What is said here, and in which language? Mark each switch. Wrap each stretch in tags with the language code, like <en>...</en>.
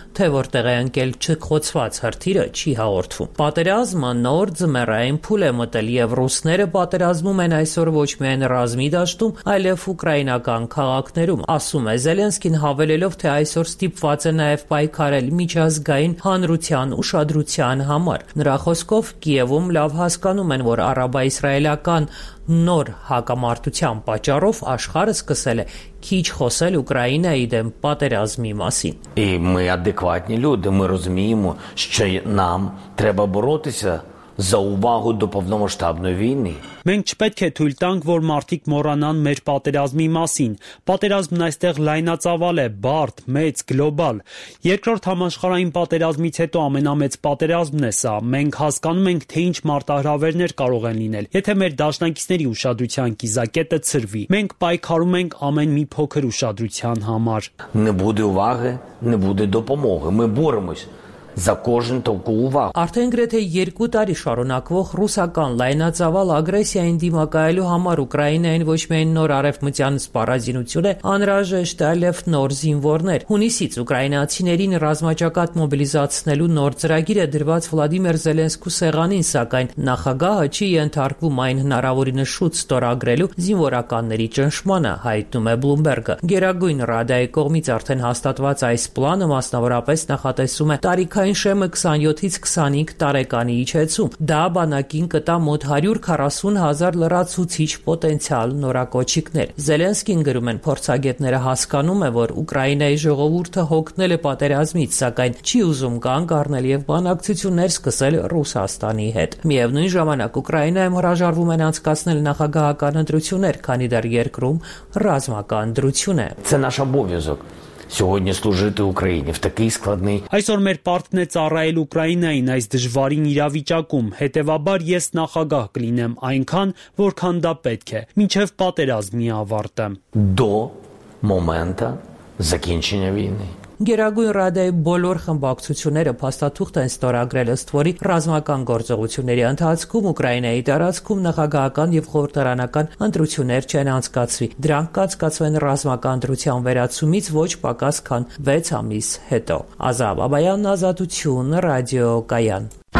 <hy>թե որտեղ է ընկել չխոցված հրթիրը չի հաղորդվում։ Պատերազմը նոր ձմեռային փուլ է մտել և ռուսները պատերազմում են այսօր ոչ միայն ռազմիդաշտում, այլև ուկրաինական քաղաքներում, ասում է Զելենսկին, հավելելով, թե այսօր ստիպված է նաև պայքարել միջազգային հանրության ուշադրության համար։ Նրա խոսքով Կիևը լավ հասկանում են, որ առաբա-իսրայելական նոր հակամարտության պատճառով աշխարհը սկսել է քիչ խոսել Ուկրաինայի դեմ պատերազմի մասին։</hy> <uk>И мы адекватні люди, ми розуміємо, що нам треба боротися за увагу до повномасштабної війни.</uk> <hy>Մենք չպետք է թույլ տանք, որ մարդիկ մոռանան մեր պատերազմի մասին։ Պատերազմն այստեղ լայնածավալ է, բարդ, մեծ, գլոբալ։ Երկրորդ համաշխարհային պատերազմից հետո ամենամեծ պատերազմն է սա։ Մենք հասկանում ենք, թե ինչ մարտահրավերներ կարող են լինել, եթե մեր դաշնակիցների ուշադրության կիզակետը ցրվի։ Մենք պայքարում ենք ամեն մի փոքր ուշադրության համար։</hy> <uk>Не буде уваги, не буде допомоги. Ми боремось за кожен толку увагу.</uk> <hy>Արդեն գրեթե 2 տարի շարունակվող ռուսական լայնածավալ ագրեսիային դիմակայելու համար Ուկրաինային ոչ միայն նոր արևմտյան սպառազինությունը անհրաժեշտ, այլև նոր զինվորներ։ Հունիսից ուկրաինացիներին ռազմաճակատ մոբիլիզացնելու նոր ծրագիրը դրված Վլադիմիր Զելենսկու սեղանին, սակայն նախագահը չի ենթարկվում այն հնարավորինս շուտ ստորագրելու զինվորականների ճնշմանը, հայտնում է Bloomberg-ը։ Գերագույն ռադայի կողմից արդեն հաստատված այս պլանը մասնավորապես նախատեսում է քային շեմը 27-25 տարեկանի իջեցում։ Դա բանակին կտա մոտ 140,000 լրացուցիչ պոտենցիալ նորակոչիկներ։ Զելենսկին գրում են, փորձագետները հասկանում է, որ Ուկրաինայի ժողովուրդը հոգնել է պատերազմից, սակայն չի ուզում կանգ առնել և բանակցություններ սկսել Ռուսաստանի հետ։ Միևնույն ժամանակ Ուկրաինայում հրաժարվում են անցկացնել նախագահական ընտրություններ, քանի դեռ երկրում ռազմական դրություն է։</hy> <uk>Це наш обов'язок сьогодні служити Україні в такий складний.</uk> <hy>Այսօր մեր պարտքն է ծառայել Ուկրաինային այս դժվարին իրավիճակում, հետևաբար ես նախագահ կլինեմ այնքան, որքան դա պետք է, մինչև պատերազմի ավարտը։</hy> <uk>До моменту закінчення війни.</uk> <hy>Գերագույն ռադայի բոլոր խմբակցությունները փաստաթուղթ են ստորագրել ըստ որի ռազմական գործողությունների ընթացքում Ուկրաինայի տարածքում նախագահական և խորհրդարանական ընտրություններ չեն անցկացվի։ Դրանք կանցկացվեն ռազմական ընտրության վերացումից ոչ պակաս քան 6 ամիս հետո։ Ազա Բաբայան, Ազատություն, Ռադիո Կայան։</hy>